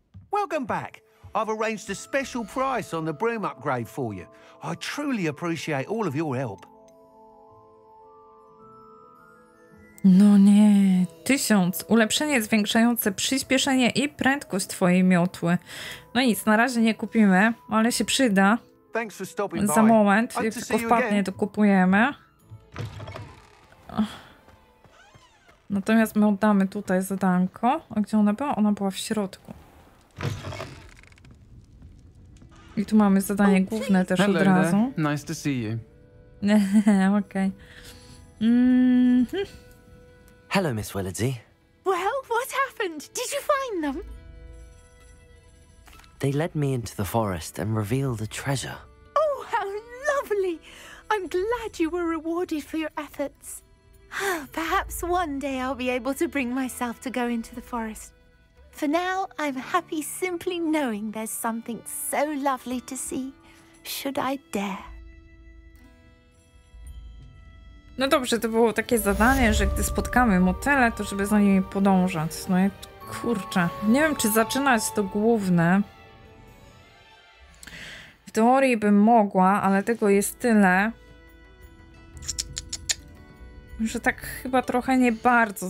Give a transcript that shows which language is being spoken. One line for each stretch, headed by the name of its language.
English: Welcome back. I've arranged a special price on the broom upgrade for you. I truly appreciate all of your help.
Polish: No nie, 1000. Ulepszenie zwiększające przyspieszenie i prędkość twojej miotły. No nic, na razie nie kupimy, ale się przyda.
English: Thanks for stopping by.
Polish: Za moment, jak tylko wpadnie, to kupujemy. Natomiast my oddamy tutaj zadanko. A gdzie ona była? Ona była w środku. I tu mamy zadanie główne też od razu.
English: Nice to see you.
Polish: Okej.
English: Hello, Miss Willardsey. Well, what happened? Did you find them? They led me into the forest and revealed the treasure. Oh, how lovely! I'm glad you were rewarded for your efforts. Perhaps one day I'll be able to bring myself to go into the forest. For now, I'm happy simply knowing there's something so lovely to see. Should I dare?
Polish: No dobrze, to było takie zadanie, że gdy spotkamy motele, to żeby za nimi podążać. No i kurczę. Nie wiem, czy zaczynać to główne. W teorii bym mogła, ale tego jest tyle, że tak chyba trochę nie bardzo.